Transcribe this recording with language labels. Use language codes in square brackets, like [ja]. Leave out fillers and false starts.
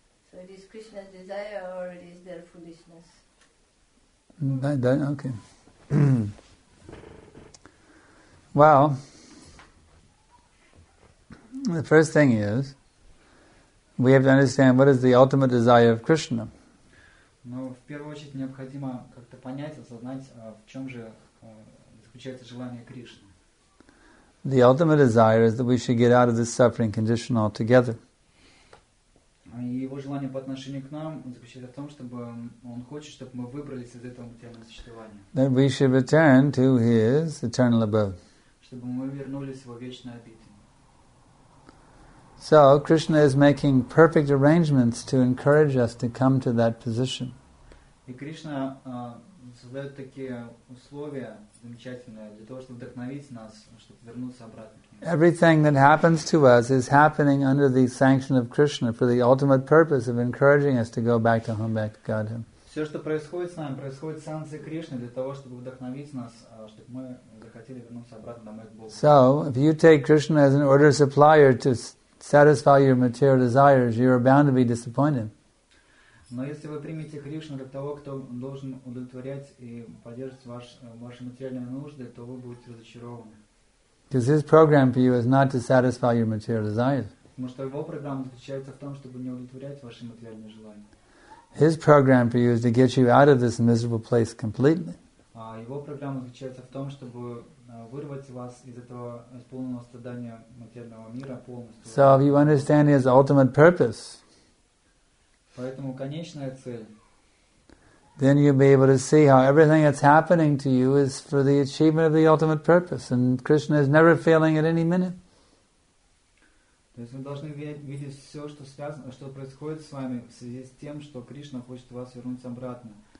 [en] So it is Krishna's desire, or it is their foolishness? Okay. Well, the first thing is. We have to understand what is the ultimate desire of Krishna. [ru] Но в первую очередь необходимо как-то понять, осознать, в чем же заключается желание Кришны. [en] The ultimate desire is that we should get out of this suffering condition altogether. [ru] И его желание по отношению к нам заключается в том, чтобы он хочет, чтобы мы выбрались из этого материального существования. [en] That we should return to his eternal abode. [ru] Чтобы мы вернулись в его вечное обитель. [en] So Krishna is making perfect arrangements to encourage us to come to that position. [ru] И Кришна создает такие условия замечательные для того, чтобы вдохновить нас, чтобы вернуться обратно. [en] Everything that happens to us is happening under the sanction of Krishna for the ultimate purpose of encouraging us to go back to home, back to Godhead. [ru] Все, что происходит с нами, происходит с санкцией Кришны для того, чтобы вдохновить нас, чтобы мы захотели вернуться обратно домой к Богу. [en] So if you take Krishna as an order supplier to satisfy your material desires, you are bound to be disappointed. [ru] Но если вы примете Кришну как того, кто должен удовлетворять и поддерживать ваши материальные нужды, то вы будете разочарованы. [en] Because his program for you is not to satisfy your material desires. [ru] Потому что его программа заключается в том, чтобы не удовлетворять ваши материальные желания. [en] His program for you is to get you out of this miserable place completely. [ru] А его программа заключается в том, чтобы вырвать вас из этого исполненного страдания материального мира полностью. [en] So if you understand his ultimate purpose, [ru] поэтому конечная цель, [en] then you'll be able to see how everything that's happening to you is for the achievement of the ultimate purpose, and Krishna is never failing at any minute. [ru] То есть вы должны видеть все, что связано, что происходит с вами в связи с тем, что Кришна хочет вас вернуть обратно.